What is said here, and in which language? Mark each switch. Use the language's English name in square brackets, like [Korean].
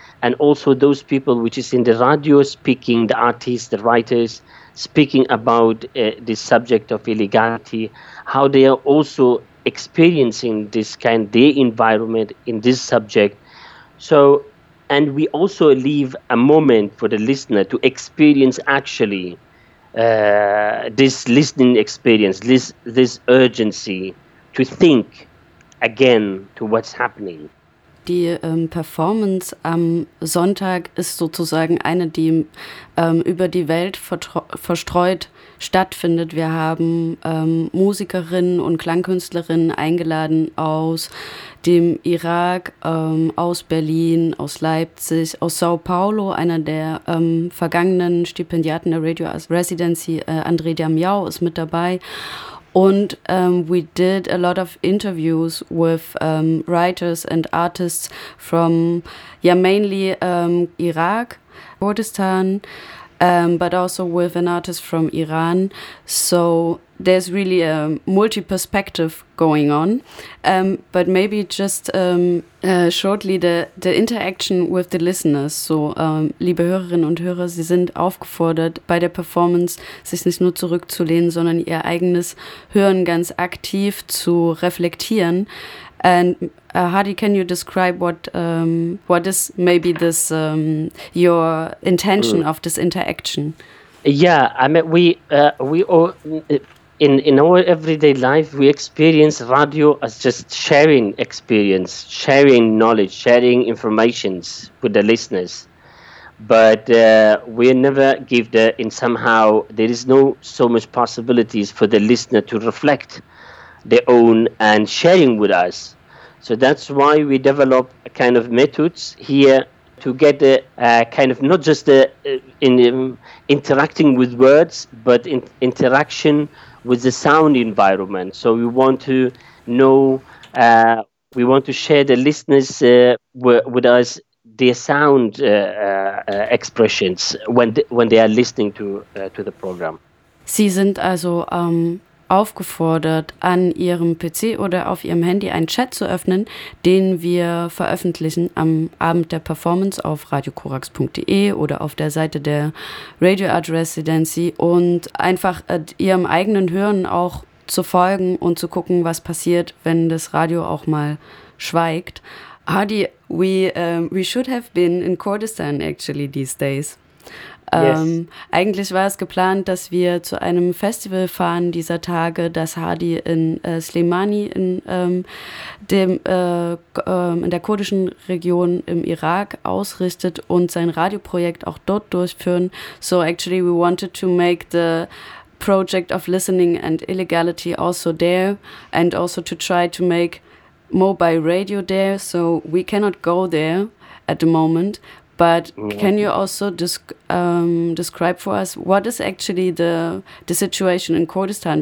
[English] And also those people which is in the radio speaking, the artists, the writers, speaking about the subject of illegality, how they are also experiencing this kind, their environment in this subject. So, and we also leave a moment for the listener to experience actually this listening experience, this urgency to think again to what's happening. [German] Die Performance am Sonntag ist sozusagen eine, die über die Welt verstreut stattfindet. Wir haben Musikerinnen und Klangkünstlerinnen eingeladen aus dem Irak, aus Berlin, aus Leipzig, aus Sao Paulo. Einer der vergangenen Stipendiaten der Radio Residency, André Damiao, ist mit dabei. [English] And we did a lot of interviews with writers and artists from, yeah, mainly Iraq, Kurdistan, but also with an artist from Iran. So there's really a multi-perspective going on. But maybe just shortly the interaction with the listeners. [German] So, liebe Hörerinnen und Hörer, Sie sind aufgefordert, bei der Performance sich nicht nur zurückzulehnen, sondern Ihr eigenes Hören ganz aktiv zu reflektieren. [English] And Hadi, can you describe what is maybe this your intention of this interaction? Yeah, I mean we all in our everyday life we experience radio as just sharing experience, sharing knowledge, sharing informations with the listeners. but we never give the, in somehow, there is no so much possibilities for the listener to reflect their own and sharing with us. So that's why we develop a kind of methods here to get a kind of not just interacting with words, but interaction with the sound environment. So we want to know, we want to share the listeners with us their sound expressions when they are listening to the program. [German] Sie sind also aufgefordert, an Ihrem PC oder auf Ihrem Handy einen Chat zu öffnen, den wir veröffentlichen am Abend der Performance auf radiokorax.de oder auf der Seite der Radio Art Residency und einfach Ihrem eigenen Hören auch zu folgen und zu gucken, was passiert, wenn das Radio auch mal schweigt. [English] Hadi, we should have been in Kurdistan actually these days. Yes. [German] Eigentlich war es geplant, dass wir zu einem Festival fahren dieser Tage, das Hadi in Slemani in der kurdischen Region im Irak ausrichtet und sein Radioprojekt auch dort durchführen. [English] So actually we wanted to make the project of listening and illegality also there and also to try to make mobile radio there. So we cannot go there at the moment. But can you also describe for us what is actually the situation in Kurdistan?